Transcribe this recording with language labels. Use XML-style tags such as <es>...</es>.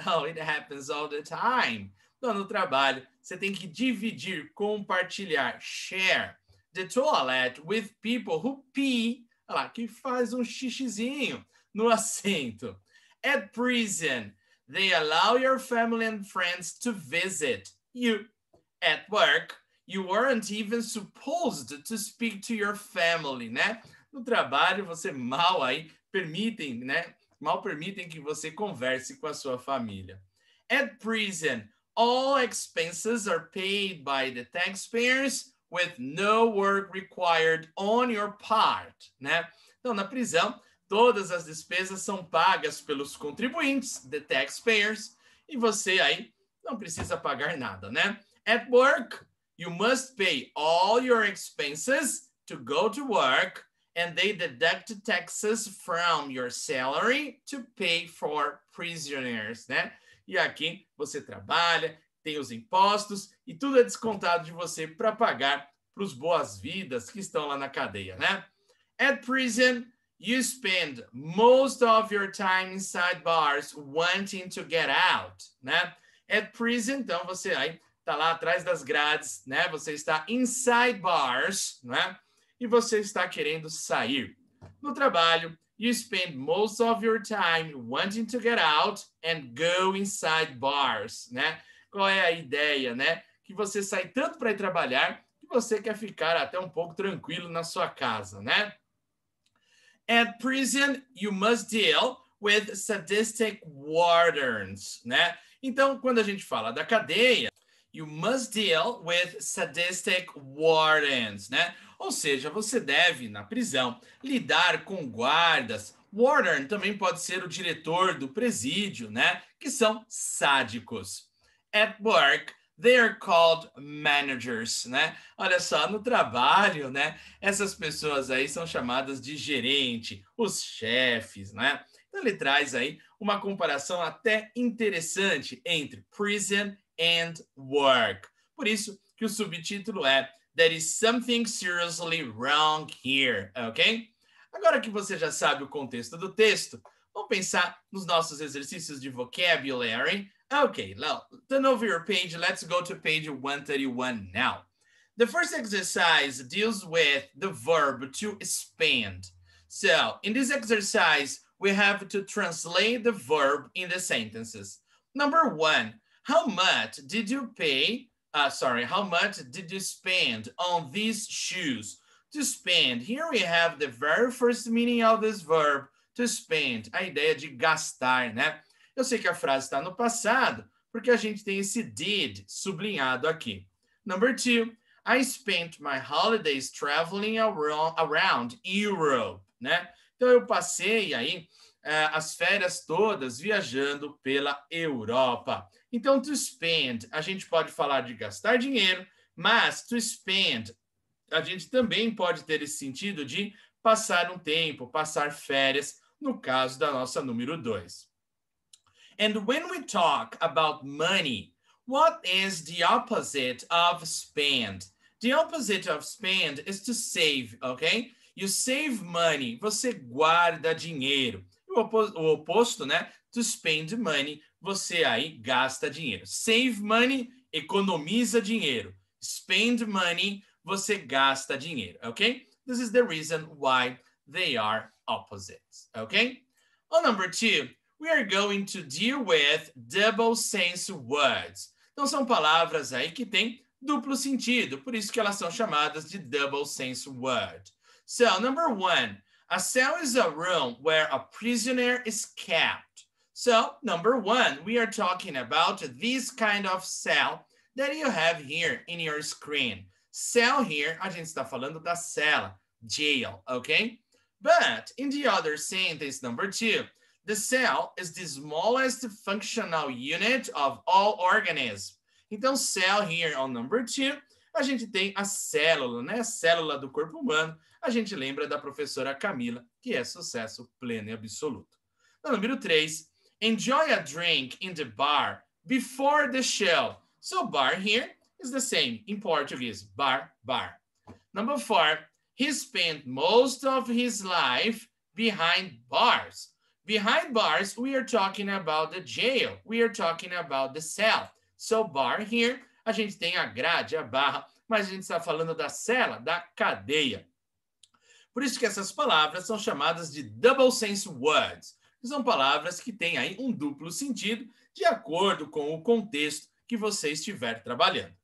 <en>Oh, it happens all the time.</en> <pt>Então, no trabalho, você tem que dividir, compartilhar,</pt> <en>share the toilet with people who pee,</en> <pt>olha lá, que faz um xixizinho no assento.</pt> <en>At prison, they allow your family and friends to visit you. At work, you weren't even supposed to speak to your family,</en> <pt>né? No trabalho, você mal aí permitem, né? Mal permitem que você converse com a sua família.</pt> <en>At prison, all expenses are paid by the taxpayers with no work required on your part,</en> <pt>né? Então, na prisão, todas as despesas são pagas pelos contribuintes, the taxpayers, e você aí não precisa pagar nada, né?</pt> <en>At work, you must pay all your expenses to go to work, and they deduct taxes from your salary to pay for prisoners,</en> <pt>né? E aqui você trabalha, tem os impostos e tudo é descontado de você para pagar para os boas-vindas que estão lá na cadeia, né?</pt> <en>At prison, you spend most of your time inside bars wanting to get out,</en> <pt>né? At prison, então você aí tá lá atrás das grades, né? Você está</pt> <en>inside bars,</en> <pt>né? E você está querendo sair. No trabalho,</pt> <en>you spend most of your time wanting to get out and go inside bars,</en> <pt>né? Qual é a ideia, né? Que você sai tanto para ir trabalhar que você quer ficar até um pouco tranquilo na sua casa, né?</pt> <en>At prison, you must deal with sadistic wardens,</en> <pt>né? Então, quando a gente fala da cadeia,</pt> <en>you must deal with sadistic wardens,</en> <pt>né? Ou seja, você deve, na prisão, lidar com guardas. Warden também pode ser o diretor do presídio, né? Que são sádicos.</pt> <en>At work, they are called managers,</en> <pt>né? Olha só, no trabalho, né? Essas pessoas aí são chamadas de gerente, os chefes, né? Então ele traz aí uma comparação até interessante entre</pt> <en>prison and work.</en> <pt>Por isso que o subtítulo é</pt> <en>There is something seriously wrong here,</en> <pt>ok? Agora que você já sabe o contexto do texto, vamos pensar nos nossos exercícios de</pt> <en>vocabulary. Ok, well, turn over your page. Let's go to page 131 now. The first exercise deals with the verb to spend. So, in this exercise, we have to translate the verb in the sentences. Number one, how much did you pay? How much did you spend on these shoes? To spend. Here we have the very first meaning of this verb, to spend.</en> <pt>A ideia de gastar, né? Eu sei que a frase está no passado, porque a gente tem esse did sublinhado aqui.</pt> <en>Number two, I spent my holidays traveling around Europe,</en> <pt>né? Então, eu passei aí as férias todas viajando pela Europa. Então,</pt> <en>to spend,</en> <pt>a gente pode falar de gastar dinheiro, mas to spend, a gente também pode ter esse sentido de passar um tempo, passar férias, no caso da nossa número 2.</pt> <en>And when we talk about money, what is the opposite of spend? The opposite of spend is to save, ok? You save money,</en> <pt>você guarda dinheiro. O oposto, né?</pt> <en>To spend money,</en> <pt>você aí gasta dinheiro.</pt> <en>Save money,</en> <pt>economiza dinheiro.</pt> <en>Spend money,</en> <pt>você gasta dinheiro, ok?</pt> <en>This is the reason why they are opposites, ok? Well, number two, we are going to deal with double sense words.</en> <pt>Então, são palavras aí que têm duplo sentido, por isso que elas são chamadas de</pt> <en>double sense word. So, number one, a cell is a room where a prisoner is kept. So, number one, we are talking about this kind of cell that you have here in your screen. Cell here,</en> <pt>a gente está falando da cela, jail, okay?</pt> <en>But in the other sentence, number two, the cell is the smallest functional unit of all organisms.</en> <pt>Então,</pt> <en>cell here on number two,</en> <pt>a gente tem a célula, né? A célula do corpo humano. A gente lembra da professora Camila, que é sucesso pleno e absoluto. No número 3,</pt> <en>enjoy a drink in the bar before the show. So, bar here is the same in Portuguese,</en> <pt>bar, bar.</pt> <en>Number 4, he spent most of his life behind bars. Behind bars, we are talking about the jail. We are talking about the cell. So, bar here,</en> <pt>a gente tem a grade, a barra, mas a gente está falando da cela, da cadeia. Por isso que essas palavras são chamadas de</pt> <en>double sense words.</en> <pt>São palavras que têm aí um duplo sentido de acordo com o contexto que você estiver trabalhando.</pt>